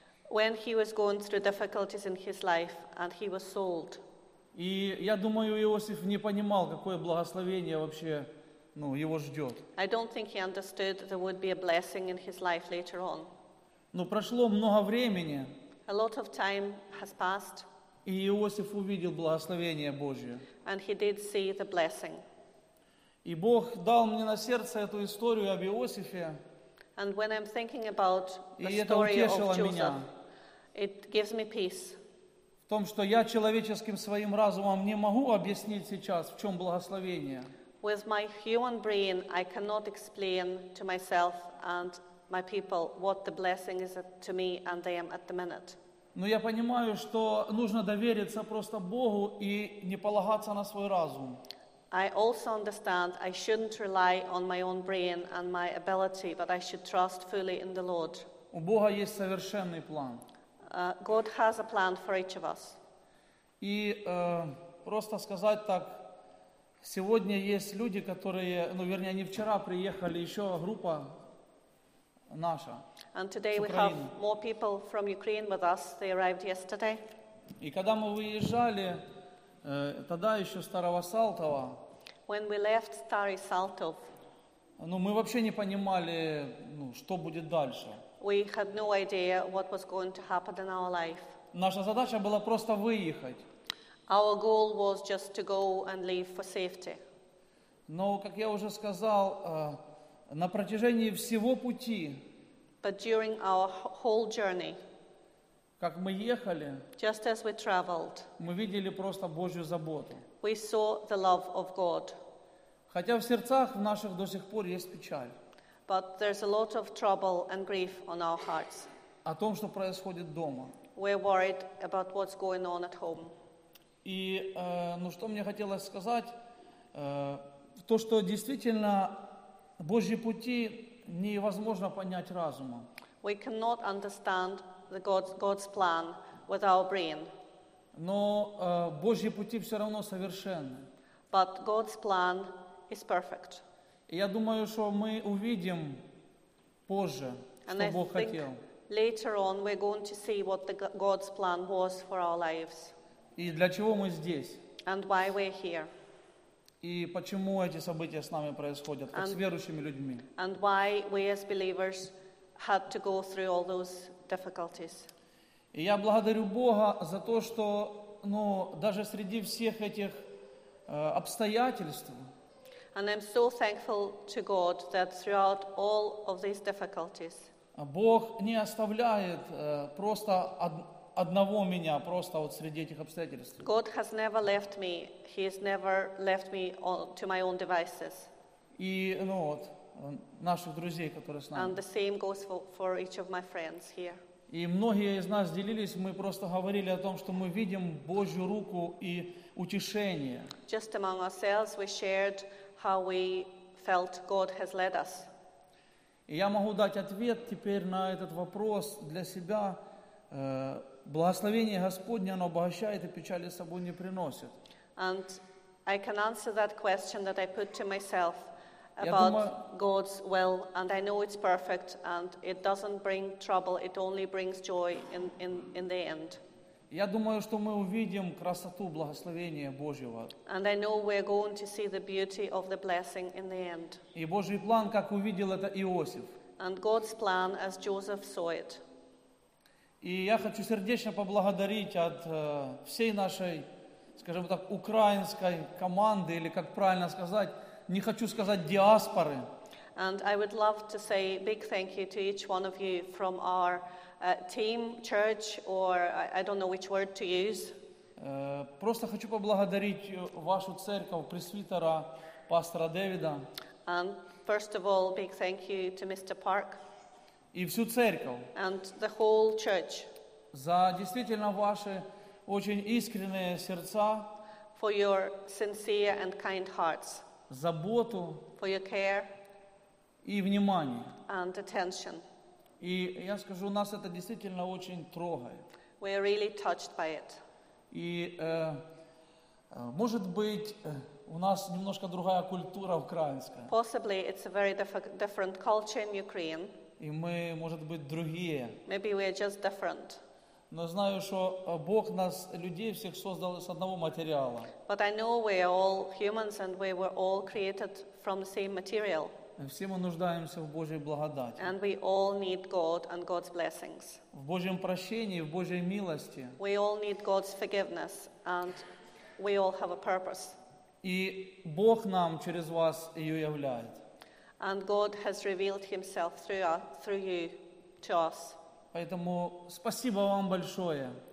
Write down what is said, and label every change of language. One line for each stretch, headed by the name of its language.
English: When he was going through difficulties in his life and he was sold.
Russian: И я думаю, Иосиф не понимал, какое благословение вообще, ну, его ждет.
English: I don't think he understood there would be a blessing in his life later on.
Russian: Но прошло много времени.
English: A lot of time has passed.
Russian: И Иосиф увидел благословение Божье.
English: And he did see the blessing.
Russian: И Бог дал мне на сердце эту историю об Иосифе.
English: And when I'm thinking about the story of Joseph, it gives me peace.
Russian: В том, что я человеческим своим разумом не могу объяснить сейчас, в чем благословение.
English: With my human brain, I cannot explain to myself and my people what the blessing is to me and them at the minute.
Russian: Но я понимаю, что нужно довериться просто Богу и не полагаться на свой разум.
English: I also understand I shouldn't rely on my own brain and my ability, but I should trust fully in the Lord.
Russian: У Бога есть совершенный план.
English: God has a plan for each of us.
Russian: И просто сказать так, сегодня есть люди, которые, ну, вернее, они вчера приехали, еще группа наша.
English: And today we have more people from Ukraine with us. They arrived yesterday.
Russian: И когда мы выезжали, тогда еще Старого Салтова.
English: When we left Starý Saltov.
Russian: Ну, мы вообще не понимали, ну, что будет дальше.
English: We had no idea what was going to happen in our life.
Russian: Наша задача была просто выехать.
English: Our goal was just to go and leave for safety.
Russian: Но, как я уже сказал, на протяжении всего пути,
English: but during our whole journey,
Russian: Как мы ехали,
English: just as we traveled,
Russian: мы видели просто Божью заботу.
English: We saw the love of God.
Russian: Хотя в сердцах в наших до сих пор есть печаль.
English: But there's a lot of trouble and grief on our hearts.
Russian: О том, что происходит дома.
English: We're worried about what's going on at home.
Russian: И, ну что мне хотелось сказать, то, что действительно Божьи пути невозможно понять разумом.
English: We cannot understand the God's plan with our brain.
Russian: Но Божьи пути все равно совершенны.
English: But God's plan is perfect.
Russian: И я думаю, что мы увидим позже,
English: and
Russian: что
English: I
Russian: Бог хотел.
English: Later on, we're going to see what God's plan was for our lives.
Russian: И для чего мы здесь?
English: And why we're here.
Russian: И почему эти события с нами происходят, как с верующими людьми?
English: And why we as believers had to go through all those difficulties.
Russian: И я благодарю Бога за то, что, ну, даже среди всех этих обстоятельств.
English: And I'm so thankful to God that throughout all of these difficulties.
Russian: Бог не оставляет просто одного меня просто вот среди этих обстоятельств.
English: God has never left me. He has never left me to my own devices.
Russian: И, ну вот, наших друзей, которые с нами.
English: And the same goes for each of my friends here.
Russian: И многие из нас делились, мы просто говорили о том, что мы видим Божью руку и утешение.
English: Just among ourselves we shared how we felt God has led us.
Russian: И я могу дать ответ теперь на этот вопрос для себя. Благословение Господне, оно обогащает и печали с собой не приносит.
English: And I can answer that question that I put to myself about God's will, and I know it's perfect, and it doesn't bring trouble, it only brings joy in the end.
Russian: Я думаю, что мы увидим красоту благословения Божьего.
English: And I know we're going to see the beauty of the blessing in the end.
Russian: И Божий план, как увидел это Иосиф.
English: And God's plan, as Joseph saw it.
Russian: И я хочу сердечно поблагодарить от всей нашей, скажем так, украинской команды, или как правильно сказать, не хочу сказать диаспоры.
English: And I would love to say a big thank you to each one of you from our team, church, or I don't know which word to use.
Russian: Просто хочу поблагодарить вашу церковь, пресвитера, пастора Дэвида.
English: And first of all, big thank you to Mr. Park.
Russian: И всю церковь.
English: And the whole church.
Russian: За действительно ваши очень искренние сердца.
English: For your sincere and kind hearts.
Russian: Заботу.
English: For your care.
Russian: И внимание.
English: And attention.
Russian: И я скажу, нас это действительно очень трогает.
English: We are really touched by it.
Russian: И, может быть, у нас немножко другая культура украинская.
English: Possibly it's a very different culture in Ukraine.
Russian: И мы, может быть, другие.
English: Maybe we are just different.
Russian: Но знаю, что Бог нас, людей всех, создал с одного материала.
English: But I know we are all humans and we were all created from the same material.
Russian: Все мы нуждаемся в Божьей благодати.
English: And we all need God and God's blessings.
Russian: В Божьем прощении, в Божьей милости.
English: We all need God's forgiveness and we all have a purpose.
Russian: И Бог нам через вас ее являет.
English: And God has revealed himself through you to us.
Russian: Поэтому спасибо вам большое.